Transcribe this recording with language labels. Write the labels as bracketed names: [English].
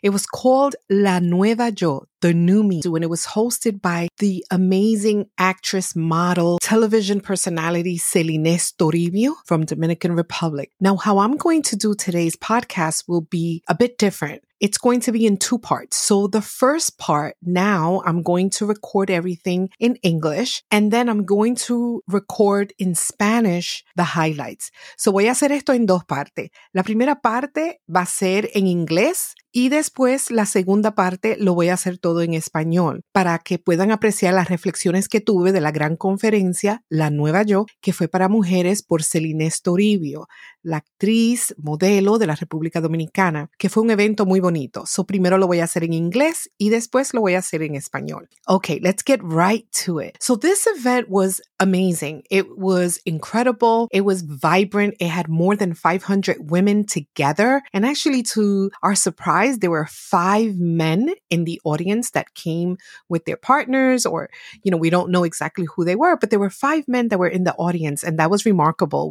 [English] It was called La Nueva Yo, The New Me, when it was hosted by the amazing actress, model, television personality, Celines Toribio from Dominican Republic. Now, how I'm going to do today's podcast will be a bit different. It's going to be in two parts. So the first part, now I'm going to record everything in English, and then I'm going to record in Spanish the highlights. [Spanish] So voy a hacer esto en dos partes. La primera parte va a ser en inglés, y después la segunda parte lo voy a hacer todo en español para que puedan apreciar las reflexiones que tuve de la gran conferencia La Nueva Yo, que fue para mujeres por Celines Toribio, la actriz modelo de la República Dominicana, que fue un evento muy bonito. So primero lo voy a hacer en inglés y después lo voy a hacer en español. [English] Okay, let's get right to it. So this event was amazing. It was incredible. It was vibrant. It had more than 500 women together. And actually, to our surprise, there were five men in the audience that came with their partners, or, you know, we don't know exactly who they were, but there were five men that were in the audience, and that was remarkable.